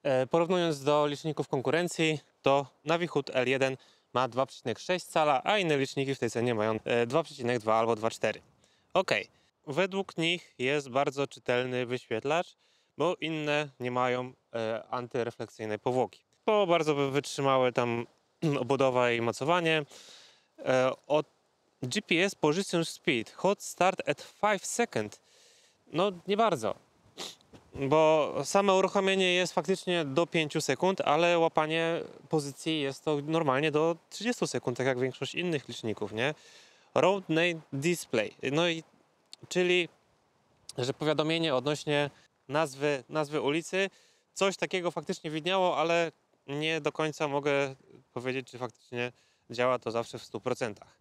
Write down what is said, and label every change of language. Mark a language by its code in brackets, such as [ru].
[pl] Porównując do liczników konkurencji, to Navihoud L1 ma 2,6 cala, a inne liczniki w tej cenie mają 2,2 albo 2,4. Ok. Według nich jest bardzo czytelny wyświetlacz, bo inne nie mają antyrefleksyjnej powłoki. To bardzo wytrzymałe tam obudowa i mocowanie. [en] Od GPS position speed, hot start at 5 seconds. [pl] No nie bardzo, bo samo uruchomienie jest faktycznie do 5 sekund, ale łapanie pozycji jest to normalnie do 30 sekund, tak jak większość innych liczników, nie? [en] Road name display, [pl] no i czyli, że powiadomienie odnośnie nazwy ulicy, coś takiego faktycznie widniało, ale nie do końca mogę powiedzieć, czy faktycznie działa to zawsze w 100%.